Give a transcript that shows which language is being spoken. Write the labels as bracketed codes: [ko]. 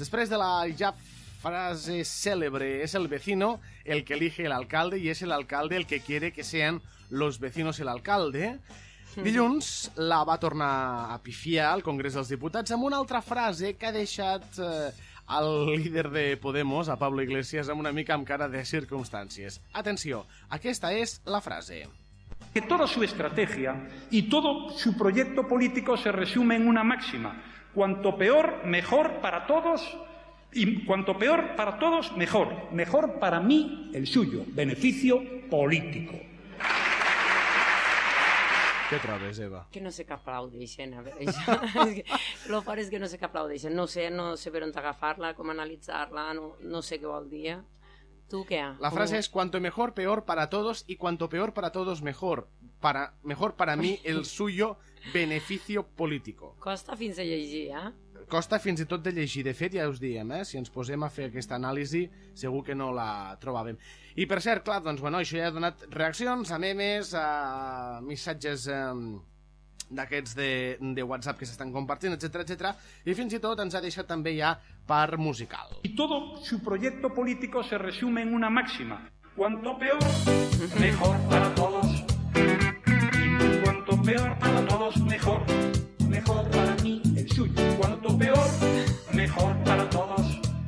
[ca] Després de la ja frase cèlebre, [es] és el vecino el que elige el alcalde i és el alcalde el que quiere que sean los vecinos el alcalde, [ca] dilluns la va tornar a pifiar al Congrés dels Diputats amb una altra frase que ha deixat el líder de Podemos, a Pablo Iglesias, amb una mica amb cara de circumstàncies. Atenció, aquesta és la frase. [es] Que toda su estrategia y todo su proyecto político se resume en una máxima. Cuanto peor, mejor para todos, y cuanto peor para todos, mejor. Mejor para mí, el suyo. Beneficio político. [ca] Què trobes, Eva? Que no sé que aplaudeixen. És que, lo far és que no sé que aplaudeixen. No sé per on agafar-la, com analitzar-la, no sé què vol dir. Tu què? La frase és [es] cuanto mejor, peor para todos y cuanto peor para todos, mejor para mí el suyo beneficio político. [ca] Costa fins a llegir, eh? Costa fins i tot de llegir. De fet, ja us diem, si ens posem a fer aquesta anàlisi, segur que no la trobàvem. I per cert, clar, doncs, bueno, això ja ha donat reaccions a memes, a missatges d'aquests de WhatsApp que s'estan compartint, etc. I fins i tot ens ha deixat també ja part musical. [es] Y todo su proyecto político se resume en una máxima. Cuanto peor, mejor para todos. Cuanto peor para todos, mejor. Mejor para mí, el suyo. Cuanto peor, mejor para todos.